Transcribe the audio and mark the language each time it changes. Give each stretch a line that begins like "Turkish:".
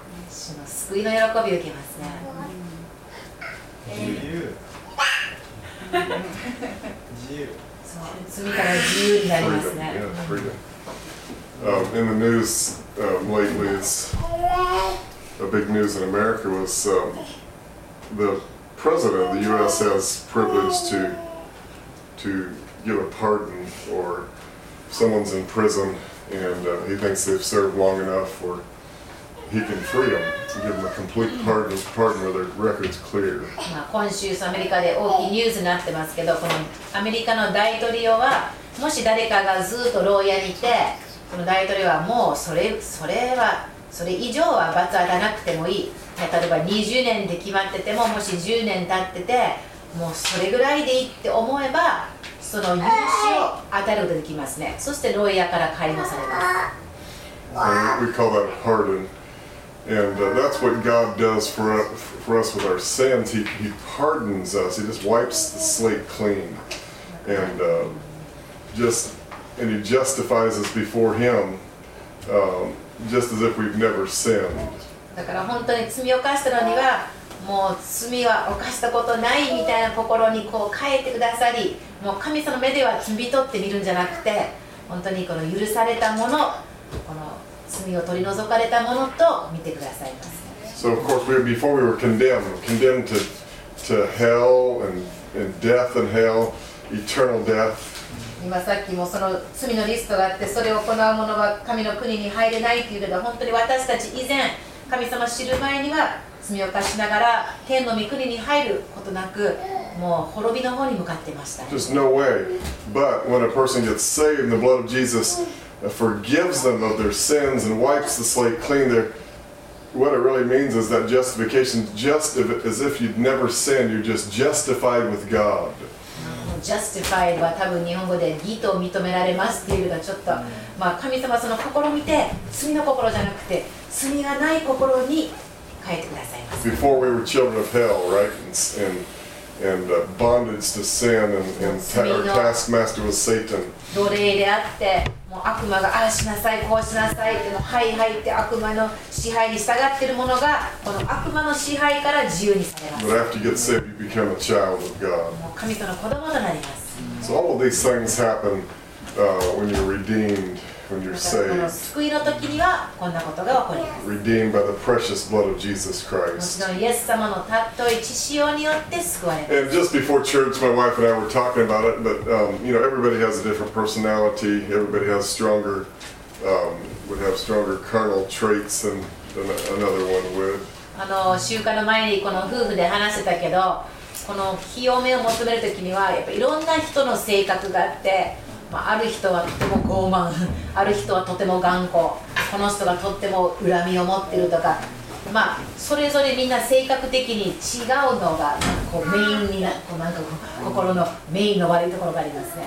Japanese: 主の救いの喜びを受けますね。自由。そう、罪から自由になりますね。
English: Yeah, freedom. In the news lately, a big news in America was the president of the U.S. has privilege to give a pardon or someone's in prison and he thinks they've served long enough or he can free them. Give them a complete pardon where their record's clear.
Japanese: 今週アメリカで大きいニュースになってますけど、このアメリカの大統領は、もし誰かがずっと牢屋にいて、この大統領はもうそれはそれ以上は罰当たなくてもいい。例えば20年で決まってても、もし10年経っててもうそれぐらいでいいって思えば、その許しを与えることができますね。そして牢屋から解放されます。
English: We call that pardon. And that's what God does for us with our sins. He pardons us. He just wipes the slate clean. And just, and He justifies us before Him, just as if we've never sinned.
Japanese: だから本当に罪を犯したのには、もう罪は犯したことないみたいな心にこう変えてくださり、もう神様の目では罪取って見るんじゃなくて、本当にこの許されたもの、この罪を取り除かれたものと見てくださいます。
English: So of course we, before we were condemned, to hell and death and hell, eternal death.
Japanese: 今さっきもその罪のリストがあって、それを行う者は神の国に入れないって言うけど、本当に私たち以前神様知る前には罪を犯しながら天の御国に入ることなく、もう滅びの方に向かってました。
English: There's no way. But when a person gets saved, the blood of Jesus forgives them of their sins and wipes the slate clean, what it really means is that justification, just as if you'd never sinned, you're just justified with God.
Japanese: Justified は多分日本語で義と認められますっていうのが、ちょっとまあ神様その心を見て、罪の心じゃなくて罪がない心に変えてくださいます。
English: Before we were children of hell, right? And bondage to sin, and our taskmaster was Satan.
Japanese: 奴隷であって、もう悪魔がああしなさい、こうしなさいって、はいはいって悪魔の支配に従っているものが、この悪魔の支配から自由にされます。
English: But after you get saved, you become a child of God.
Japanese: もう神との子供となります。
English: So all of these things happen when you're redeemed, when you're saved.
Japanese: この救いの時にはこんなことが起こります。
English: Redeemed by the precious blood of Jesus Christ.
Japanese: もちろんイエス様のたっとい血潮によって救われます。
English: And just before church, my wife and I were talking about it, but you know, everybody has a different personality. Everybody has stronger, would have stronger carnal traits than another one would.
Japanese: 集会の前にこの夫婦で話してたけど、この清めを求める時にはやっぱいろんな人の性格があって。まあ、ある人はとても傲慢、ある人はとても頑固、この人がとっても恨みを持っているとか、まあ、それぞれみんな性格的に違うのがこうメインにな、こうなんかこう心のメインの悪いところがありますね。